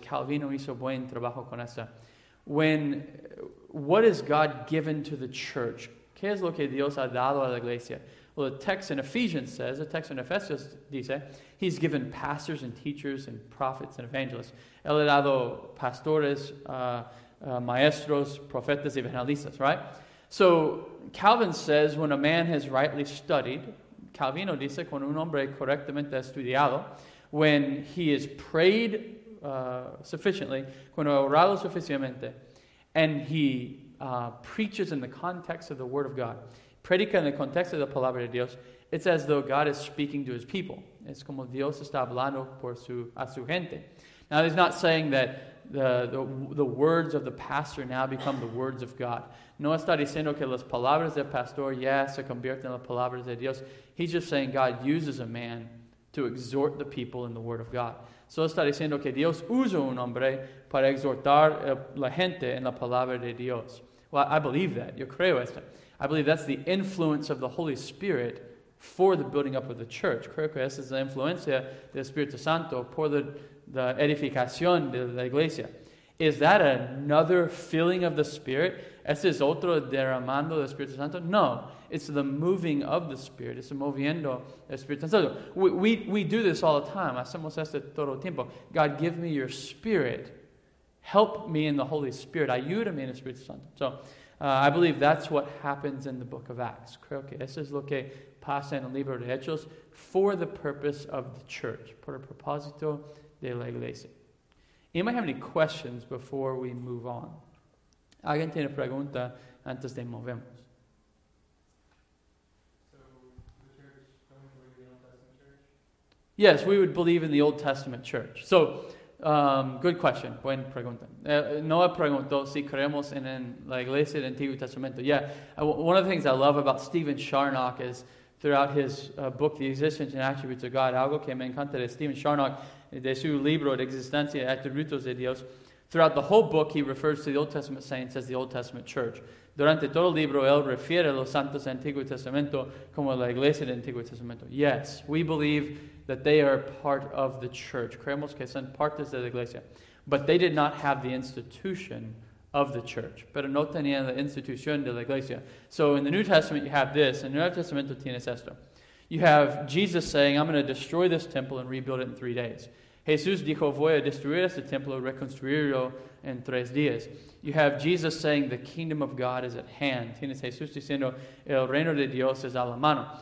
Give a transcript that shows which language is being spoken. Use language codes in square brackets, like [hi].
[es] Calvino hizo buen trabajo con esta. [en] When, what has God given to the church? [es] ¿Qué es lo que Dios ha dado a la iglesia? [en] Well, the text in Ephesians says, the text in Ephesians dice, he's given pastors and teachers and prophets and evangelists. [es] Él ha dado pastores, maestros, profetas, evangelistas, right? [en] So Calvin says when a man has rightly studied, [es] Calvino dice, cuando un hombre correctamente estudiado, [en] when he has prayed sufficiently, [es] cuando ha orado suficientemente, [en] and he preaches in the context of the Word of God, [es] predica en el contexto de la palabra de Dios, [en] it's as though God is speaking to his people. [es] Es como Dios está hablando por a su gente. [en] Now, he's not saying that the words of the pastor now become the words of God. [es] No está diciendo que las palabras del pastor ya se convierten en las palabras de Dios. [en] He's just saying God uses a man to exhort the people in the Word of God. [es] So está diciendo que Dios usa un hombre para exhortar la gente en la palabra de Dios. [en] Well, I believe that. [es] Yo creo esto. [en] I believe that's the influence of the Holy Spirit for the building up of the church. [es] Creo que esa es la influencia del Espíritu Santo por la edificación de la iglesia. [en] Is that another filling of the Spirit? [es] ¿Ese es otro derramando del Espíritu Santo? [en] No, it's the moving of the Spirit. [es] Es moviendo el Espíritu Santo. [en] We do this all the time. [es] Hacemos esto todo el tiempo. [en] God, give me your Spirit. Help me in the Holy Spirit. [es] Ayúdame en el Espíritu Santo. [en] So, I believe that's what happens in the book of Acts. [es] Creo que eso es lo que pasa en el libro de Hechos [en] for the purpose of the church, [es] por el propósito de la iglesia. [en] ¿Anybody have any questions before we move on? [es] ¿Alguien tiene pregunta antes de movemos? [en] So, the church, don't believe the Old Testament church? Yes, we would believe in the Old Testament church. So, Good question. [es] Buen pregunta. Noah preguntó si creemos en la iglesia del Antiguo Testamento. Yeah. [en] One of the things I love about Stephen Charnock is throughout his book, The Existence and Attributes of God, [es] algo que me encanta de Stephen Charnock, de su libro, De Existencia y Atributos de Dios, [en] throughout the whole book, he refers to the Old Testament saints as the Old Testament church. [es] Durante todo el libro, él refiere a los santos del Antiguo Testamento como la iglesia del Antiguo Testamento. [en] Yes, we believe that they are part of the church. [es] Creemos que son partes de la iglesia. [en] But they did not have the institution of the church. [es] Pero no tenían la institución de la iglesia. [en] So in the New Testament, you have this. In the Nuevo Testamento, [es] tienes esto. [en] You have Jesus saying, I'm going to destroy this temple and rebuild it in 3 days. [es] Jesús dijo, voy a destruir este templo y reconstruirlo en 3 días. [en] You have Jesus saying, the kingdom of God is at hand. [es] Tienes Jesús diciendo, el reino de Dios es a la mano.